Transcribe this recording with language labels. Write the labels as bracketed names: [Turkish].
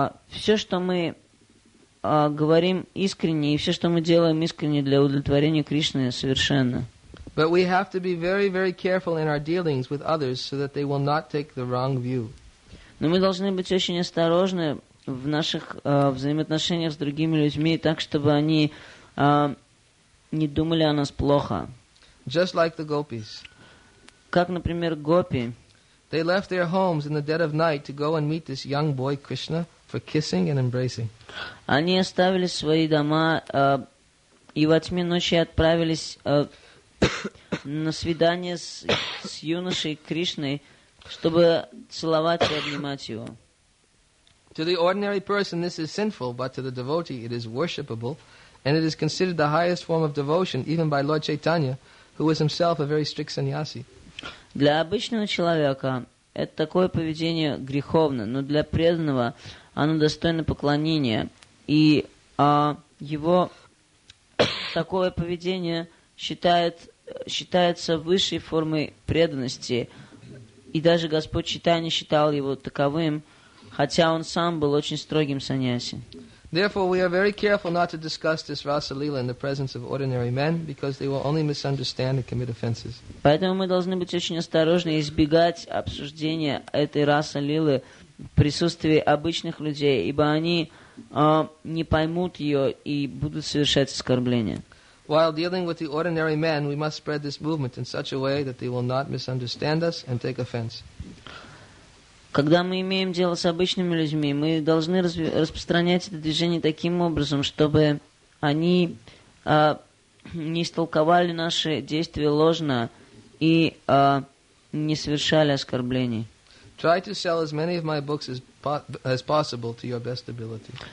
[Russian] Все, что мы говорим искренне, и все, что мы делаем искренне для удовлетворения Кришны, совершенно. [English] But we have to be very, very careful in our dealings with others so that they will not take the wrong view. [Russian] Но мы должны быть очень осторожны в наших взаимоотношениях с другими людьми, так чтобы они не думали о нас плохо. [English] Just like the gopis. [Russian] Как, например, гопи. [English] They left their homes in the dead of night to go and meet this young boy Krishna for kissing and embracing. [Russian] Они оставили свои дома и во тьме ночи отправились на свидание с юношей Кришной, чтобы целовать и обнимать его. [English] To the ordinary person this is sinful, but to the devotee it is worshipable, and it is considered the highest form of devotion even by Lord Chaitanya, who was himself a very strict sannyasi. [Russian] Для обычного человека это такое поведение греховно, но для преданного оно достойно поклонения, и его такое поведение считается высшей формой преданности, и даже Господь Чайтанья считал его таковым, хотя он сам был очень строгим саньяси. [English] Therefore, we are very careful not to discuss this Rasa Lila in the presence of ordinary men, because they will only misunderstand and commit offenses. [Russian] Поэтому мы должны быть очень осторожны и избегать обсуждения этой Раса Лилы в присутствии обычных людей, ибо они не поймут ее и будут совершать оскорбления. [English] While dealing with the ordinary men, we must spread this movement in such a way that they will not misunderstand us and take offense. [Russian] Когда мы имеем дело с обычными людьми, мы должны распространять это движение таким образом, чтобы они не истолковали наши действия ложно и не совершали оскорблений. [English] Try to sell as many of my books as possible to your best ability.